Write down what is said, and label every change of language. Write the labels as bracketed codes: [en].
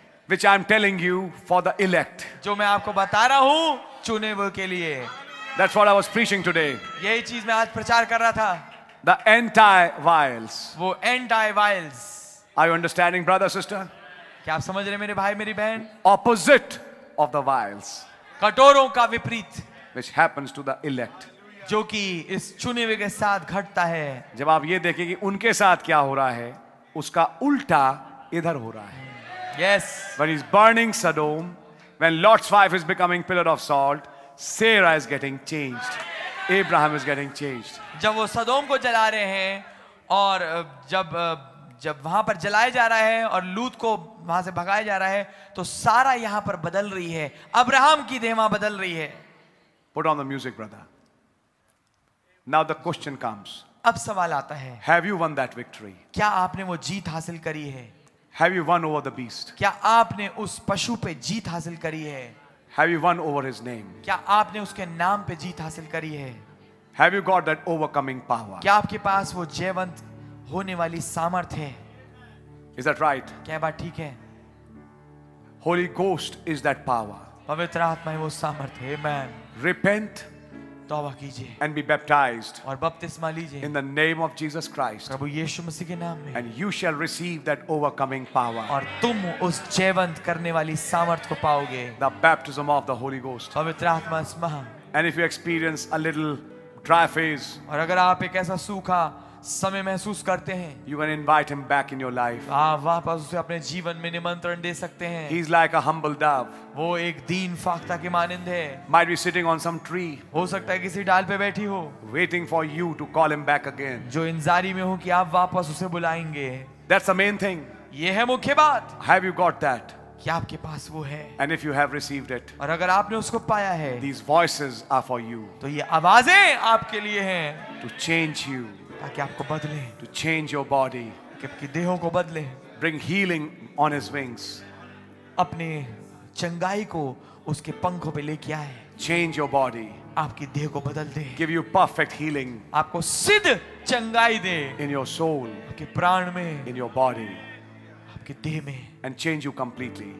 [en] Which I'm telling you for the elect. [hi] जो मैं आपको बता रहा हूँ चुने हुए के लिए. [en] That's what I was preaching today. [hi] यही चीज मैं आज प्रचार कर रहा था. [en] The anti-vials. [hi] वो anti-vials. [en] Are you understanding, brother, sister? [hi] क्या आप समझ रहे मेरे भाई मेरी बहन? [en] Opposite of the vials. [hi] कटोरों का विपरीत. [en] Which happens to the elect. [hi] जो कि इस चुने हुए के साथ घटता है. जब आप ये देखें कि उनके साथ क्या हो रहा है, उसका उल्टा इधर हो रहा है. [en] Yes. When he's burning Sodom, when Lot's wife is becoming pillar of salt, Sarah is getting changed. Abraham is getting changed. [hi] जब वो सदोम को जला रहे हैं और जब जब वहां पर जलाया जा रहा है और लूत को वहां से भगाया जा रहा है तो सारा यहां पर बदल रही है. अब्राहम की देवा बदल रही है. [en] Put on the music, brother. Now the question comes. [hi] अब सवाल आता है. [en] Have you won that victory? [hi] क्या आपने वो जीत हासिल करी है? [en] Have you won over the beast? [hi] क्या आपने उस पशु पे जीत हासिल करी है? [en] Have you won over his name? [hi] क्या आपने उसके नाम पे जीत हासिल करी है? [en] Have you got that overcoming power? [hi] क्या आपके पास वो जयवंत होने वाली सामर्थ्य है? [en] Is that right? [hi] क्या बात ठीक है? [en] Holy Ghost is that power. [hi] पवित्र आत्मा है वो सामर्थ्य. [en] Amen. Repent. [hi] तौबा कीजिए. [en] And be baptized. [hi] और बपतिस्मा लीजिए. [en] In the name of Jesus Christ. [hi] प्रभु यीशु मसीह के नाम में. [en] And you shall receive that overcoming power. [hi] और तुम उस जयवंत करने वाली सामर्थ्य को पाओगे. [en] The baptism of the Holy Ghost. [hi] पवित्र आत्मा स्मह. [en] And if you experience a little dry phase. [hi] और अगर आप एक ऐसा सूखा समय महसूस करते हैं. [en] You can invite him back in your life. [hi] आप वापस उसे अपने जीवन में निमंत्रण दे सकते हैं. [en] He's like a humble dove. [hi] वो एक दीन फाख्ता के मानिंद है. [en] Might be sitting on some tree. [hi] हो सकता है किसी डाल पे बैठी हो. [en] Waiting for you to call him back again. [hi] जो इंतजारी में हो कि आप वापस उसे बुलाएंगे. [en] That's the main thing. [hi] ये है मुख्य बात. [en] Have you got that? [hi] क्या आपके पास वो है? [en] And if you have received it, [hi] और अगर आपने उसको पाया है, [en] these voices are for you. [hi] तो ये आवाजें आपके लिए हैं. [en] To change you. [hi] ताकि आपको बदले. [en] To change your body. [hi] आपके देहों को बदले. [en] Bring healing on his wings. [hi] अपने चंगाई को उसके पंखों पे लेके आए. [en] Change your body. [hi] आपकी देह को बदल दे. [en] Give you perfect healing. [hi] आपको सिद्ध चंगाई दे. [en] In your soul. [hi] आपके प्राण में. [en] In your body. [hi] आपके देह में. [en] And change you completely.